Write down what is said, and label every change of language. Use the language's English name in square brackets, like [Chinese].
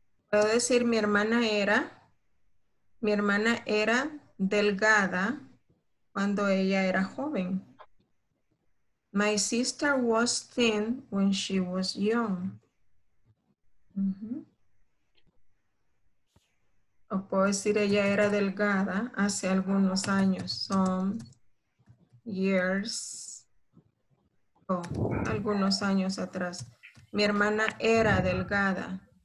[Spanish] Puedo decir, mi hermana era delgada cuando ella era joven. [English] My sister was thin when she was young. [Spanish] O puedo decir, ella era delgada hace algunos años. [English] Some years. [Spanish] Algunos años atrás. Mi hermana era delgada.